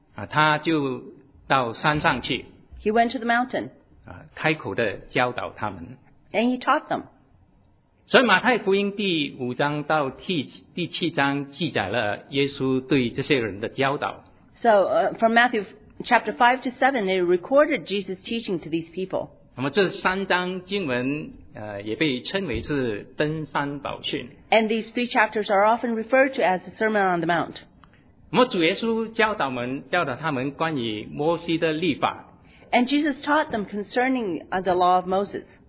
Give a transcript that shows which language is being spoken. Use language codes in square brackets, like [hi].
[zh] 他就到山上去。 [en] He went to the mountain. [zh] 开口地教导他们。 [en] And he taught them. [zh] 所以马太福音第5章到第7章记载了耶稣对这些人的教导。 [en] So from Matthew 5:7, they recorded Jesus' teaching to these people. [zh] 那么这三章经文也被称为是登山宝训。 [en] And these three chapters are often referred to as the Sermon on the Mount. [zh] 那么主耶稣教导他们关于摩西的律法。 [en] And Jesus taught them concerning the law of Moses.